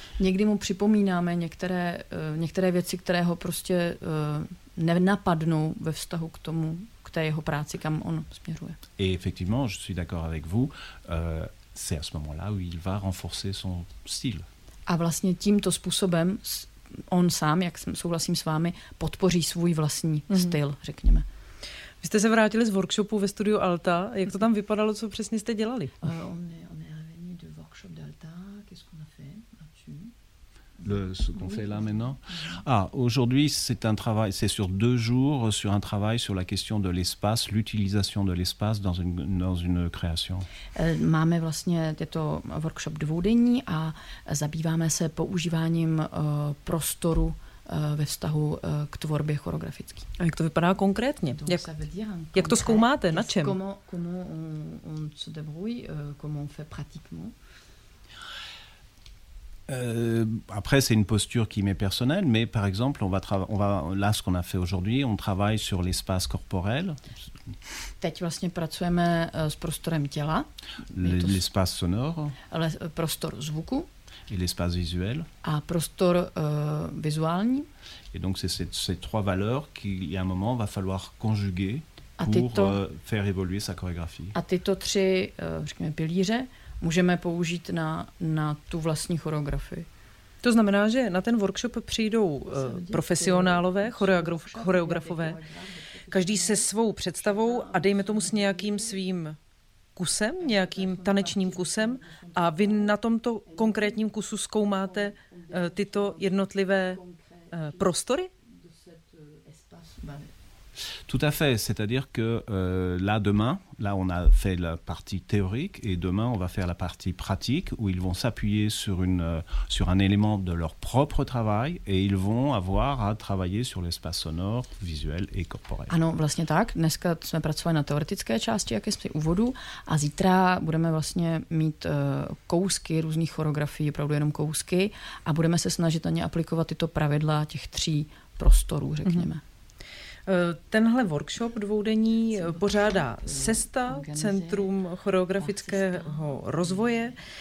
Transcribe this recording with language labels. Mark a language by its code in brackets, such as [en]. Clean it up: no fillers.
[cs] Někdy mu připomínáme některé věci, které ho prostě nenapadnou ve vztahu k tomu, k té jeho práci, kam on směřuje. [fr] Et effectivement, je suis d'accord avec vous, c'est à ce moment-là où il va renforcer son style. [cs] A vlastně tímto způsobem on sám, jak souhlasím s vámi, podpoří svůj vlastní styl, řekněme. Vy jste se vrátili z workshopu ve studiu Alta. Jak to tam vypadalo, co přesně jste dělali? [fr] On est revenu du workshop d'Alta. Qu'est-ce qu'on a fait là-dessus? Ce qu'on fait là maintenant. Ah, aujourd'hui, c'est un travail, c'est sur deux jours, sur un travail sur la question de l'espace, l'utilisation de l'espace dans une création. [cs] Máme vlastně tento workshop dvoudenní a zabýváme se používáním prostoru ve vztahu k tvorbě choreografické. A jak to vypadá konkrétně? Jak to zkoumáte? Na čem? [fr] Comment on se débrouille, comment on fait pratiquement? Après, c'est une posture qui m'est personnelle, mais par exemple, on va ce qu'on a fait aujourd'hui, on travaille sur l'espace corporel. [cs] Teď vlastně pracujeme s prostorem těla. [fr] L'espace sonore. [cs] Ale prostor zvuku. [fr] Et l'espace visuel. [cs] A prostor vizuální. [fr] Et donc, c'est ces trois valeurs qu'il y a un moment va falloir conjuguer pour faire évoluer sa chorégraphie. [cs] A tyto tři, řekněme, pilíře, můžeme použít na tu vlastní choreografii. To znamená, že na ten workshop přijdou profesionálové, choreografové, každý se svou představou a dejme tomu s nějakým svým kusem, nějakým tanečním kusem a vy na tomto konkrétním kusu zkoumáte tyto jednotlivé prostory? [fr] Tout à fait, c'est-à-dire que là demain, là on a fait la partie théorique et demain on va faire la partie pratique où ils vont s'appuyer sur un élément de leur propre travail et ils vont avoir à travailler sur l'espace sonore, visuel et corporel. [cs] Ano, vlastně tak. Dneska jsme pracovali na teoretické části, jak jsme úvodu, a zítra budeme vlastně mít kousky různých choreografií, opravdu jenom kousky, a budeme se snažit na ně aplikovat tyto pravidla těch tří prostorů, řekněme. Mm-hmm. Tenhle workshop dvoudenní pořádá SESTA, Centrum choreografického rozvoje.